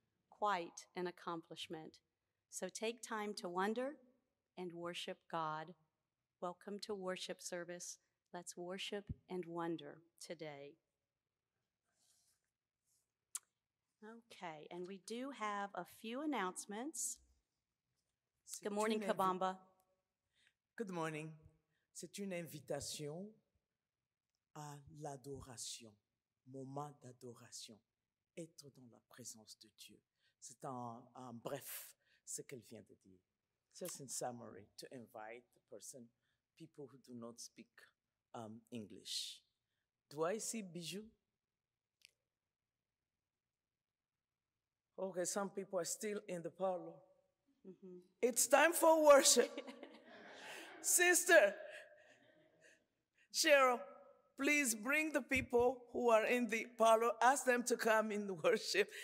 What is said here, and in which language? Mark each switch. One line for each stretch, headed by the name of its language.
English: Quite an accomplishment. So take time to wonder and worship God. Welcome to worship service. Let's worship and wonder today." Okay, and we do have a few announcements. Good morning, Kabamba. Good morning.
French: C'est une invitation à l'adoration, moment d'adoration, être dans la présence de Dieu. C'est en bref ce qu'elle vient de dire.
English: Just in summary, to invite the person, people who do not speak English. Do I see Bijou? Okay, some people are still in the parlor. Mm-hmm. It's time for worship. Sister Cheryl, please bring the people who are in the parlor, ask them to come in the worship.